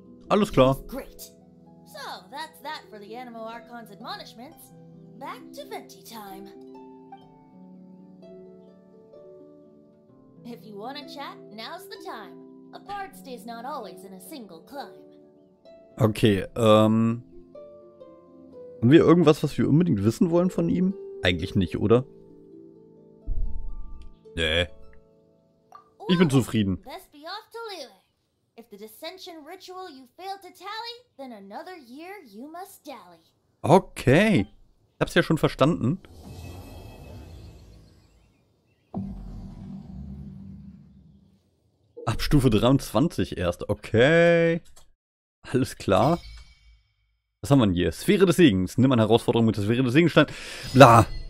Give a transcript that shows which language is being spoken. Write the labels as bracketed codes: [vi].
[de] Alles klar. [en] Great. So, that's that for the Animo Archon's admonishments. Back to Venti time. If you want to chat, now's the time. A bard stays not always in a single climb. [de] Okay, haben wir irgendwas, was wir unbedingt wissen wollen von ihm? Eigentlich nicht, oder? Nee. Ich bin zufrieden. [en] Best be off to Liyue. If the dissension ritual you failed to tally, then another year you must dally. Okay. [de] Ich hab's ja schon verstanden. Ab Stufe 23 erst. Okay. Alles klar. Was haben wir denn hier? Sphäre des Segens. Nimm eine Herausforderung mit der Sphäre des Segens stand. Bla.